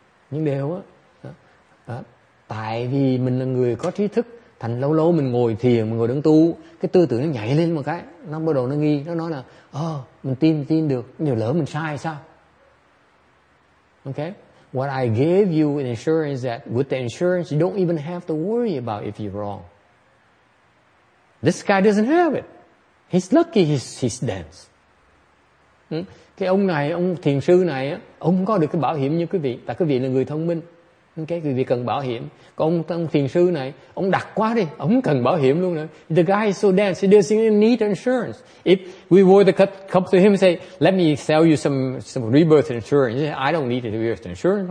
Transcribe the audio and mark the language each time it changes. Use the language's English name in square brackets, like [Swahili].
[Vietnamese] Nhưng đều á. Tại vì mình là người có trí thức, thành lâu lâu mình ngồi thiền, mình ngồi đứng tu, cái tư tưởng nó nhảy lên một cái, nó bắt đầu nó nghi, nó nói là, mình tin được, nhiều lỡ mình sai sao? [English] Okay? What I gave you an insurance that with the insurance, you don't even have to worry about if you're wrong. This guy doesn't have it. He's lucky he's dense. [Vietnamese] Cái ông này, ông thiền sư này, ông có được cái bảo hiểm như quý vị, tại quý vị là người thông minh. Okay, quý vị cần bảo hiểm. Còn ông thiền sư này, ông đặc quá đi, ông cần bảo hiểm luôn nữa. [English] The guy is so dense, he doesn't even need insurance. If we were to come to him and say, let me sell you some rebirth insurance, he said, I don't need a rebirth insurance.